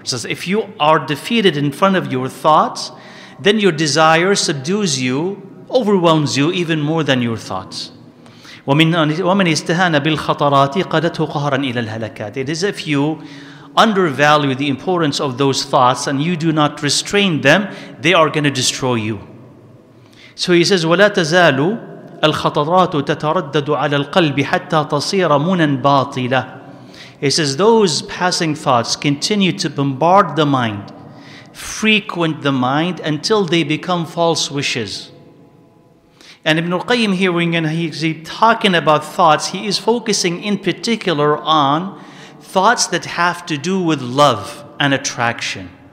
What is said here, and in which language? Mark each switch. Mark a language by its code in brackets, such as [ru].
[en] It says, if you are defeated in front of your thoughts, then your desire subdues you, overwhelms you even more than your thoughts. [ar] وَمَنْ يَسْتَهَانَ بِالْخَطَرَاتِ قَدَتْهُ قَهَرًا إِلَى الْهَلَكَاتِ. [en] It is if you undervalue the importance of those thoughts and you do not restrain them, they are going to destroy you. So he says, [ar] وَلَا تَزَالُ الْخَطَرَاتُ تَتَرَدَّدُ عَلَى الْقَلْبِ حَتَّى تَصِيرَ مُنًا بَاطِلًا. [en] He says, those passing thoughts continue to bombard the mind, frequent the mind until they become false wishes. And Ibn al-Qayyim here, when he's talking about thoughts, he is focusing in particular on thoughts that have to do with love and attraction.